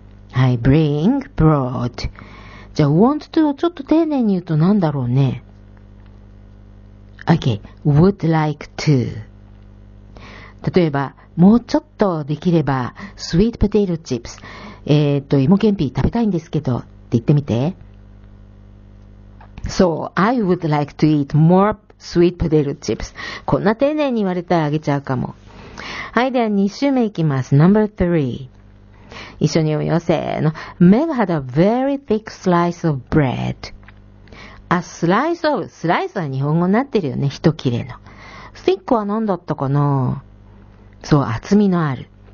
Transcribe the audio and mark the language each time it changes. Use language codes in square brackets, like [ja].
[ja] はい、 [en] bring, brought. [ja] じゃあ want to をちょっと丁寧に言うと何だろうね。 [en] Okay, would like to. [ja] 例えば、もうちょっとできれば、スイートポテトチップス。芋けんぴ食べたいんですけど、って言ってみて。 [en] So, I would like to eat more sweet potato chips. [ja] こんな丁寧に言われたらあげちゃうかも。はい、では2週目いきます。 [en] Number 3. [ja] 一緒に読みよう。せーの。 [en] Meg had a very thick slice of bread. A slice of, [ja] スライスは日本語になってるよね。一切れの。 thick は何だったかな？そう、厚みのある。